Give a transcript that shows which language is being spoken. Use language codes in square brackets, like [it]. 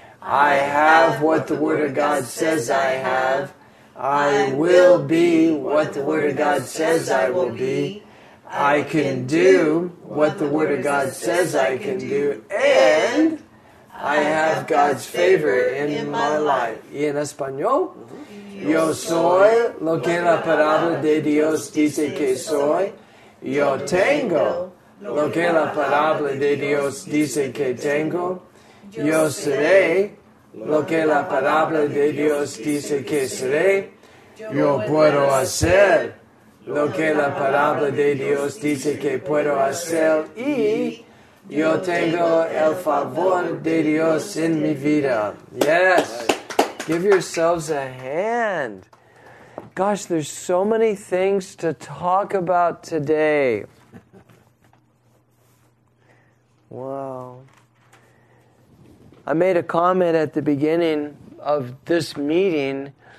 [en] I have what the Word of God says I have. I will be what the Word of God says I will be. I can do what the Word of God says I can do. And I have God's favor in my life. [es] Y en español, yo soy lo que la palabra de Dios dice que soy. Yo tengo lo que la palabra de Dios dice que tengo. Yo seré lo que la palabra de Dios dice que seré. Yo puedo hacer lo que la palabra de Dios dice que puedo hacer. Y yo tengo el favor de Dios en mi vida. [en] Yes. Give yourselves a hand. Gosh, there's so many things to talk about today. Wow. I made a comment at the beginning of this meeting.